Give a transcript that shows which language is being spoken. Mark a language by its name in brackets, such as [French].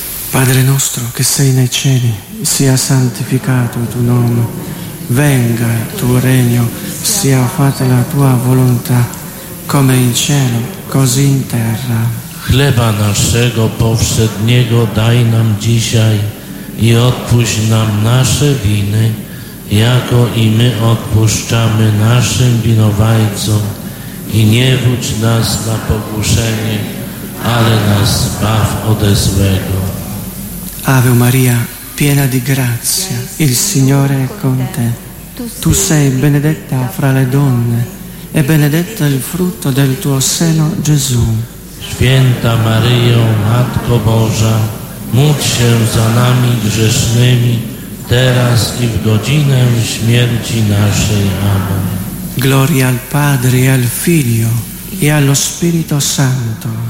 [Italian] Padre nostro, che sei nei cieli, sia santificato il tuo nome, venga il tuo regno, sia fatta la tua volontà, come in cielo, così in terra. [Polish] Chleba naszego powszedniego daj nam dzisiaj i odpuść nam nasze winy, jako i my odpuszczamy naszym winowajcom. I nie wódź nas na pokuszenie, ale nas zbaw ode złego. [Italian] Ave Maria, piena di grazia, il Signore è con te. Tu sei benedetta fra le donne, e benedetto il frutto del tuo seno, Gesù. [Polish] Święta Maryjo, Matko Boża, módl się za nami grzesznymi, teraz i w godzinę śmierci naszej. Amen. [Italian] Gloria al Padre, al Figlio e allo Spirito Santo.